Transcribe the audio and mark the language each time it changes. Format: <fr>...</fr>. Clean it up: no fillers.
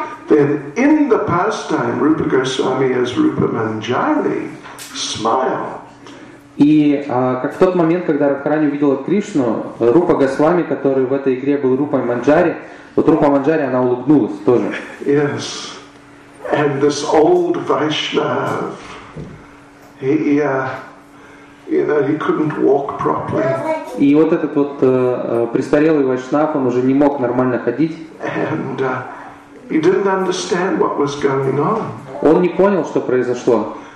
<en>Then in the pastime, Rupa Goswami as Rupa Manjari smiled.</en> <ru>И как в тот момент, когда Радхарани увидела Кришну, Рупа Госвами, который в этой игре был Рупой Манджари, вот Рупа Манджари, она улыбнулась тоже.</ru> <en>Yes. And this old Vaishnav, he couldn't walk properly.</en> <ru>И вот этот вот престарелый Вайшнав, он уже не мог нормально ходить.</ru> <en>And he didn't understand what was going on.</en> <ru>Он не понял, что произошло.</ru>